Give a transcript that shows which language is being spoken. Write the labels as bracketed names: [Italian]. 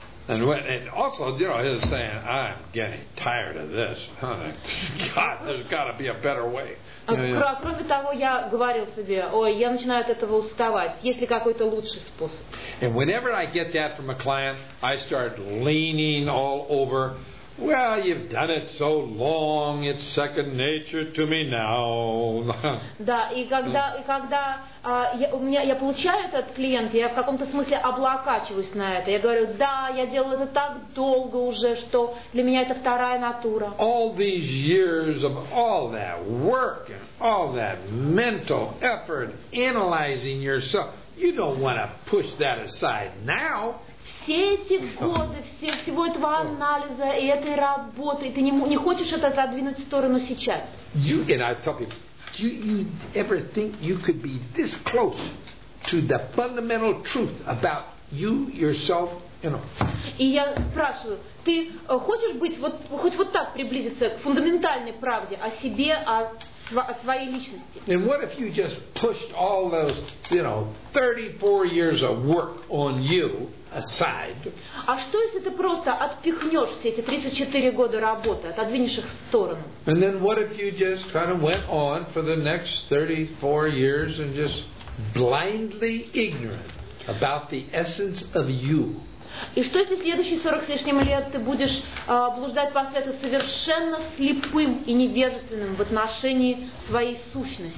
[English] And when, and also, you know, he's saying, I'm getting tired of this. God, there's got to be a better way. [Russian] Кроме того, я говорил себе, ой, я начинаю от этого уставать. Есть ли какой-то лучший способ? [English] And whenever I get that from a client, I start leaning all over. Well, you've done it so long, it's second nature to me now. [Russian] Да, и когда я получаю это от клиента, я в каком-то смысле облокачиваюсь на это. Я говорю, да, я делал это так долго уже, что для меня это вторая натура. [English] All these years of all that work and all that mental effort analyzing yourself, you don't want to push that aside now. [Russian] Все эти годы, всего этого анализа и этой работы, ты не хочешь это задвинуть в сторону сейчас. [English] You, and I tell people, do you ever think you could be this close to the fundamental truth about you, yourself, you know? [Russian] И я спрашиваю, ты хочешь быть вот, хоть вот так приблизиться к фундаментальной правде о себе, о своей личности? [English] And what if you just pushed all those, you know, 34 years of work on you aside. [Russian] А что если ты просто отпихнешь все эти 34 года работы, отодвинешь их в сторону? [English] And then what if you just kind of went on for the next 34 years and just blindly ignorant about the essence of you? [Russian] И что если следующие 40 с лишним лет ты будешь блуждать по свету совершенно слепым и невежественным в отношении своей сущности?